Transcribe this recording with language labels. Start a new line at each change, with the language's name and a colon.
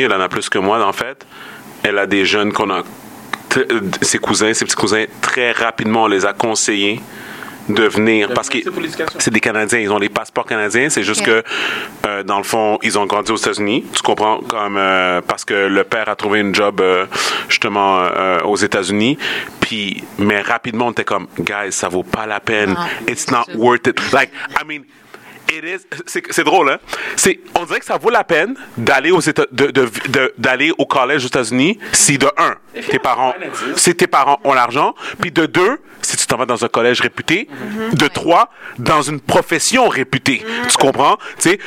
French: Elle en a plus que moi, en fait. Elle a des jeunes qu'on a... ses cousins, ses petits-cousins, très rapidement, on les a conseillés de venir. Parce que c'est des Canadiens. Ils ont les passeports canadiens. C'est juste que, dans le fond, ils ont grandi aux États-Unis. Tu comprends? Parce que le père a trouvé une job, justement, aux États-Unis. Puis, mais rapidement, on était comme, « Guys, ça vaut pas la peine.
English: Non, it's not worth it. » Like, I mean...
French: C'est drôle, hein? On dirait que ça vaut la peine d'aller d'aller au collège aux États-Unis si, de un, tes parents ont l'argent, puis de deux, si tu t'en vas dans un collège réputé, de trois, dans une profession réputée. Mm-hmm. Tu comprends? T'sais?